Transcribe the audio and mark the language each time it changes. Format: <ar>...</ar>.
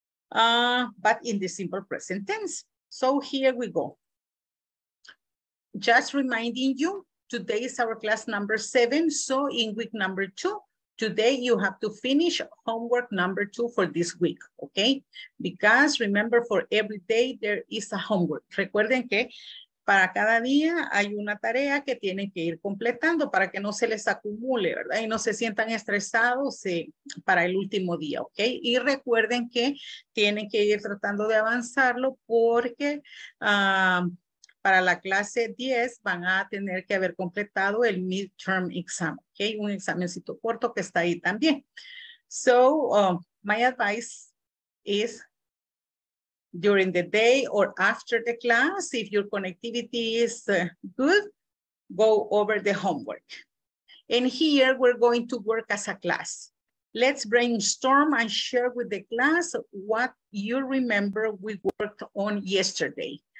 <en>But in the simple present tense. So here we go. Just reminding you, today is our class number 7. So in week number 2, today you have to finish homework number 2 for this week, okay? Because remember, for every day there is a homework.</en> <es>Recuerden que para cada día hay una tarea que tienen que ir completando para que no se les acumule, ¿verdad? Y no se sientan estresados para el último día, ¿ok? Y recuerden que tienen que ir tratando de avanzarlo porque para la clase 10 van a tener que haber completado el midterm exam, ¿ok? Un examencito corto que está ahí también.</es> <en>So, my advice is during the day or after the class, if your connectivity is good, go over the homework. And here we're going to work as a class. Let's brainstorm and share with the class what you remember we worked on yesterday.</en>